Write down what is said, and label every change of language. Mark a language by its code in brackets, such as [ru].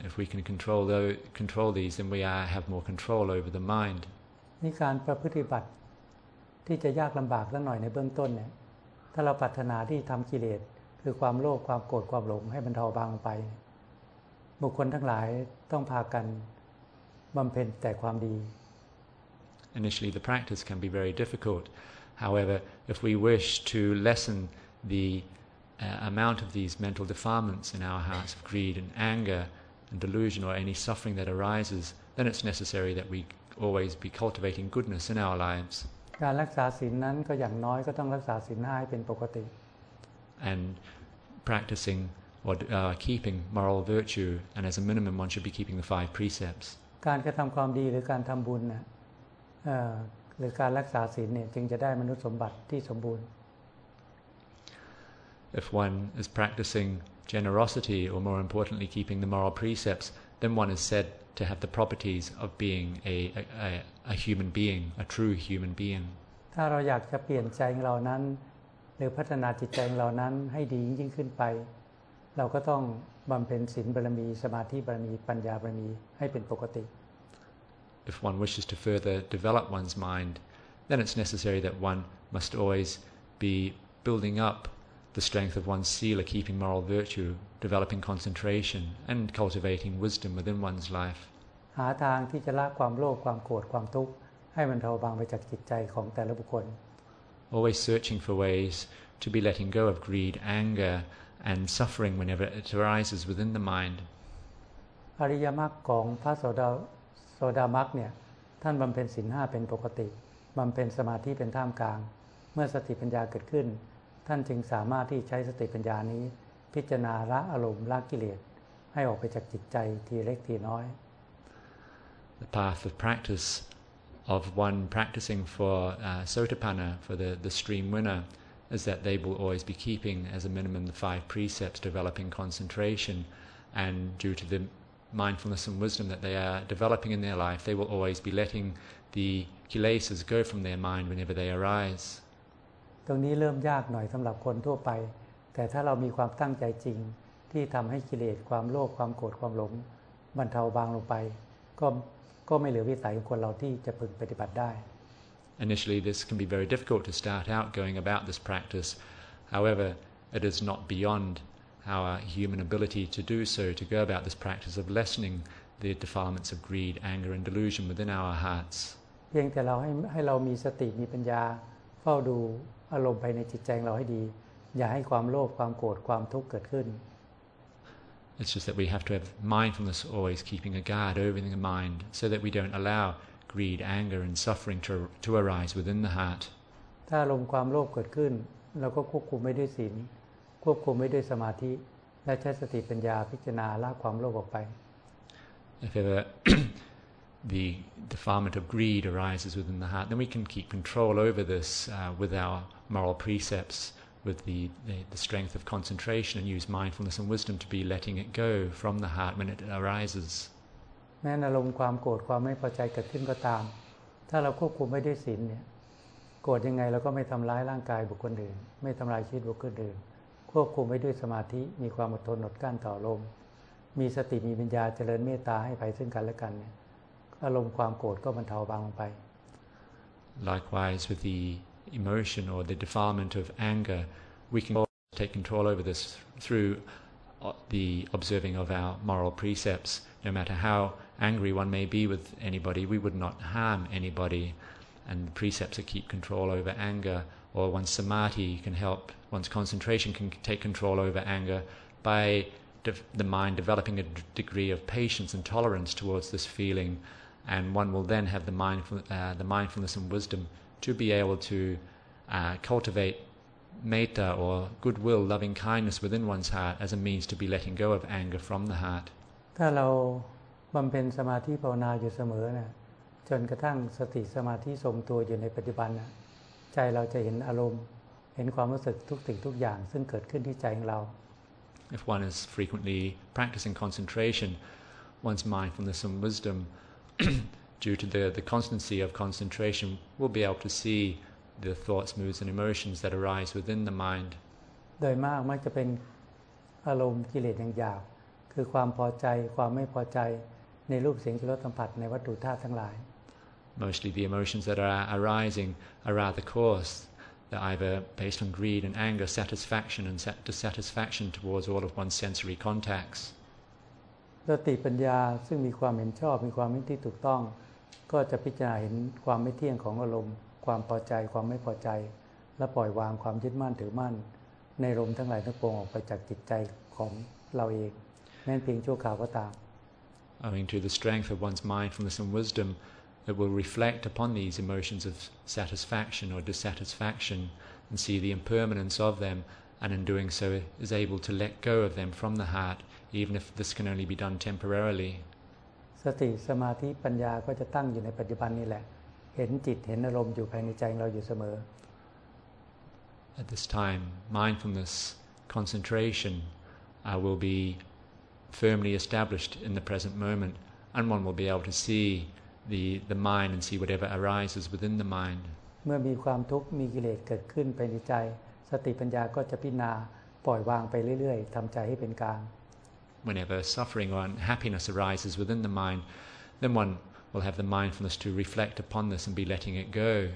[en] If we can control these, then we have more control over the mind. [th] นี่การประพฤติปฏิบัติที่จะยากลำบากสักหน่อยในเบื้องต้นเนี่ยถ้าเราปรารถนาที่ทำกิเลสคือความโลภความโกรธความหลงให้บรรเทาบางไปบุคคลทั้งหลายต้องพากันบำเพ็ญแต่ความดี [en] initially the practice can be very difficult. However, if we wish to lessen the amount of these mental defilements in our hearts of greed and anger and delusion or any suffering that arises, then it's necessary that we always be cultivating goodness in our lives. [th] การรักษาศีลนั้นก็อย่างน้อยก็ต้องรักษาศีล5ให้เป็นปกติ [en] And practicing or keeping moral virtue, and as a minimum one should be keeping the 5 precepts. [th] การกระทำความดีหรือการทำบุญน่ะหรือการรักษาศีลเนี่ยจึงจะได้มนุษย์สมบัติที่สมบูรณ์ [en] If one is practicing generosity or more importantly keeping the moral precepts, then one is said to have the properties of being a human being, a true human being. [th] ถ้าเราอยากจะเปลี่ยนใจของเรานั้นหรือพัฒนาจิตใจของเรานั้นให้ดียิ่งขึ้นไปเราก็ต้องบำเพ็ญศีลบารมีสมาธิบารมีปัญญาบารมีให้เป็นปกติ [en] If one wishes to further develop one's mind, then it's necessary that one must always be building up the strength of one's sila, keeping moral virtue, developing concentration, and cultivating wisdom within one's life. [th] หาทางที่จะละความโลภความโกรธความทุกข์ให้มันเบาบางไปจากจิตใจของแต่ละบุคคล [en] Always searching for ways to be letting go of greed, anger, and suffering whenever it arises within the mind. [th] อริยมรรคของพระโสดามรรคเนี่ยท่านบำเพ็ญศีล5เป็นปกติบำเพ็ญสมาธิเป็นท่ามกลางเมื่อสติปัญญาเกิดขึ้นท่านจึงสามารถที่ใช้สติปัญญานี้พิจารณาละอารมณ์ละกิเลสให้ออกไปจากจิตใจทีเล็กทีน้อย [en] The path of practice of one practicing for Sotapanna for the stream winner is that they will always be keeping as a minimum the 5 precepts developing concentration and due to the mindfulness and wisdom that they are developing in their life they will always be letting the kilesas go from their mind whenever they arise [th] ตรงนี้เริ่มยากหน่อยสำหรับคนทั่วไปแต่ถ้าเรามีความตั้งใจจริงที่ทำให้กิเลสความโลภความโกรธความหลงบรรเทาบางลงไปก็ไม่เหลือวิสัยของคนเราที่จะพึงปฏิบัติได้ [en] Initially this can be very difficult to start out going about this practice however it is not beyond our human ability to do so to go about this practice of lessening the defilements of greed anger and delusion within our hearts [th] เพียงแต่เราให้เรามีสติมีปัญญาเฝ้าดูอารมณ์ภายในจิตใจของเราให้ดีอย่าให้ความโลภความโกรธความทุกข์เกิดขึ้น [en] It's just that we have to have mindfulness always keeping a guard over the mind so that we don't allow greed anger and suffering to arise within the heart [th] ถ้าอารมณ์ความโลภเกิดขึ้นเราก็ควบคุมไม่ด้วยศีลควบคุมไม่ด้วยสมาธิและใช้สติปัญญาพิจารณาละความโลภออกไป [en] If ever the defilement of greed arises within the heart then we can keep control over this with our moral precepts with the strength of concentration and use mindfulness and wisdom to be letting it go from the heart when it arises [th] แม้อารมณ์ความโกรธความไม่พอใจเกิดขึ้นก็ตามถ้าเราควบคุมไม่ด้วยศีลเนี่ยโกรธยังไงเราก็ไม่ทำร้ายร่างกายบุคคลอื่นไม่ทำร้ายชีวิตบุคคลอื่นควบคุมไม่ด้วยสมาธิมีความอดทนอดกลั้นต่ออารมณ์มีสติมีปัญญาเจริญเมตตาให้ภัยซึ่งกันและกันเนี่ยอารมณ์ความโกรธก็บรรเทาบางลงไป [en] Likewise with the emotion or the defilement of anger we can take control over this through the observing of our moral precepts no matter how angry one may be with anybody we would not harm anybody and the precepts that keep control over anger or one's samadhi can help one's concentration can take control over anger by the mind developing a degree of patience and tolerance towards this feelingAnd one will then have the mindfulness and wisdom to be able to cultivate metta or goodwill, loving kindness within one's heart as a means to be letting go of anger from the heart. [th] ถ้าเราบำเพ็ญสมาธิภาวนาอยู่เสมอน่ะจนกระทั่งสติสมาธิทรงตัวอยู่ในปัจจุบันน่ะใจเราจะเห็นอารมณ์เห็นความรู้สึกทุกสิ่งทุกอย่างซึ่งเกิดขึ้นที่ใจของเรา [en] If one is frequently practicing concentration, one's mindfulness and wisdom. due to the constancy of concentration we'll be able to see the thoughts moods and emotions that arise within the mind [th] โดยมากมันจะเป็นอารมณ์กิเลสอย่างหยาบคือความพอใจความไม่พอใจในรูปเสียงกลิ่นรสสัมผัสในวัตถุธาตุทั้งหลาย [en] mostly the emotions that are arising are rather coarse they're either based on greed and anger satisfaction and dissatisfaction towards all of one's sensory contacts [th] สติปัญญาซึ่งมีความเห็นชอบมีความเห็นที่ถูกต้องก็จะพิจารณาเห็นความไม่เที่ยงของอารมณ์ความพอใจความไม่พอใจและปล่อยวางความยึดมั่นถือมั่นในอารมณ์ทั้งหลายทั้งปวงออกไปจากจิตใจของเราเองแม้เพียงชั่วคราวก็ตาม [en] Owing to the strength of one's mindfulness and wisdom it will reflect upon these emotions of satisfaction or dissatisfaction and see the impermanence of them and in doing so is able to let go of them from the heart even if this can only be done temporarily [th] สติสมาธิปัญญาก็จะตั้งอยู่ในปัจจุบันนี่แหละเห็นจิตเห็นอารมณ์อยู่ภายในใจเราอยู่เสม [en] อ at this time mindfulness concentration will be firmly established in the present moment and one will be able to seeThe mind and see whatever arises within the mind. [th] เมื่อมีความทุกข์มีกิเลสเกิดขึ้นภายในใจสติปัญญาก็จะพิจารณาปล่อยวางไปเรื่อยๆทำใจให้เป็นกลาง [en] Whenever suffering or unhappiness arises within the mind, then one will have the mindfulness to reflect upon this and be letting it go.